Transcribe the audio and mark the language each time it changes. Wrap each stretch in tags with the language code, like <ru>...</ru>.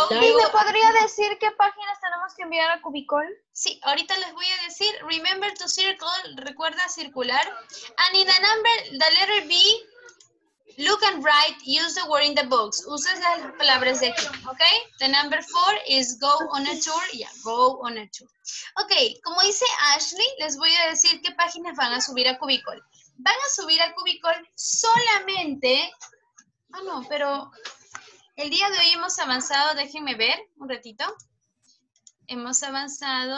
<es>¿me podría decir qué páginas tenemos que enviar a Cubicol? Sí, ahorita les voy a decir,</es> <en>remember to circle,</en> <es>recuerda circular.</es> <en>And in the number, the letter B, look and write, use the word in the box.</en> <es>Usas las palabras de aquí,</es> <en>¿ok? The number four is go on a tour. Yeah, go on a tour.</en> <es>Ok, como dice Ashley, les voy a decir qué páginas van a subir a Cubicol. Van a subir a Cubicol solamente... Ah, oh no, pero... El día de hoy hemos avanzado, déjenme ver un ratito. Hemos avanzado...</es>